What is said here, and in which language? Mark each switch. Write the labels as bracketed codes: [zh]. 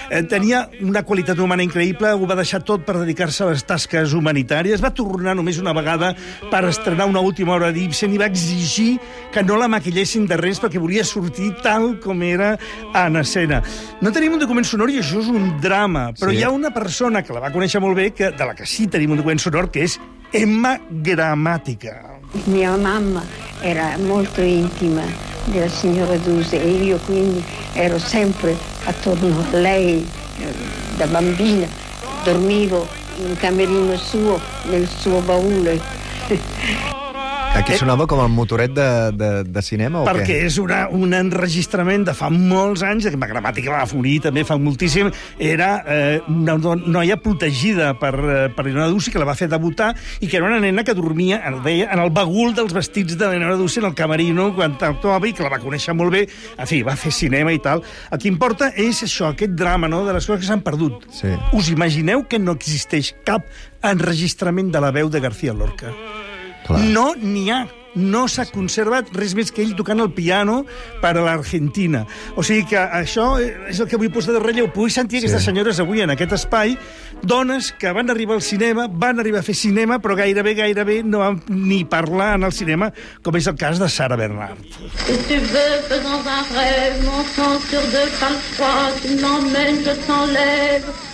[ca] tenia una qualitat humana increïble, ho va deixar tot per dedicar-se a les tasques humanitàries, va tornar només una vegada per estrenar una última obra d'Ibsen i va exigir que no la maquillessin de res perquè volia sortir tal com era en escena. No tenim un document sonor i això és un drama, però sí, hi ha una persona que la va conèixer molt bé, que, de la que sí tenim un document sonor, que és Emma Gramatica. [it] Mia mamma era molto intima della signora Duse e io quindi ero sempre attorno a lei da bambina. Dormivo in camerino suo, nel suo baule. [ca] Aquí sonava com el motoret de cinema, o què? Perquè és un enregistrament de fa molts anys, que la Gramàtica va morir també fa moltíssim, era una noia protegida per Leonora Duse, que la va fer debutar, i que era una nena que dormia, el deia, en el bagul dels vestits de Leonora Duse, en el camerino, quan actuava, i que la va conèixer molt bé, en fi, va fer cinema i tal. El que importa és això, aquest drama, no?, de les coses que s'han perdut. Sí. Us imagineu que no existeix cap enregistrament de la veu de García Lorca? Clar. No n'hi ha. No s'ha conservat res més que ell tocant el piano per a l'Argentina. O sigui que això és el que vull posar de relleu. Puguis sentir aquestes senyores avui en aquest espai, dones que van arribar al cinema, van arribar a fer cinema, però gairebé no van ni parlar en el cinema, com és el cas de Sara Bernhardt. [fr] Si tu veux que dans un rêve m'entends sur deux pales froides, tu m'emmènes, je t'enlève.